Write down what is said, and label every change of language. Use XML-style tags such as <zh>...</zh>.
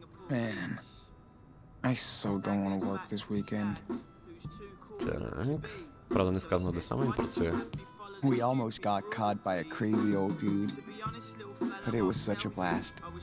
<en>Man, I so don't want to work this weekend.</en> <uk>Так, правда не сказано, де саме він працює.</uk> <en>We almost got caught by a crazy old dude. But it was such a blast.</en>